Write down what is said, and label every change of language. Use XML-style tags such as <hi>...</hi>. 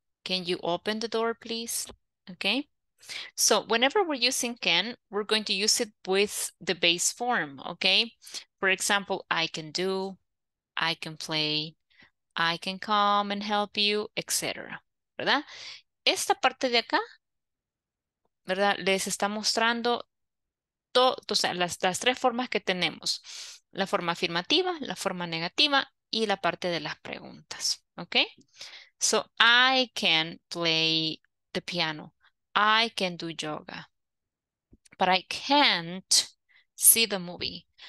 <en>Can you open the door, please? Okay. So whenever we're using can, we're going to use it with the base form, okay? For example, I can do, I can play, I can come and help you, etc.</en> <es>¿Verdad? Esta parte de acá, ¿verdad? Les está mostrando todo, o sea, las tres formas que tenemos. La forma afirmativa, la forma negativa y la parte de las preguntas, okay?</es> <en>So I can play the piano. I can do yoga, but I can't see the movie.</en>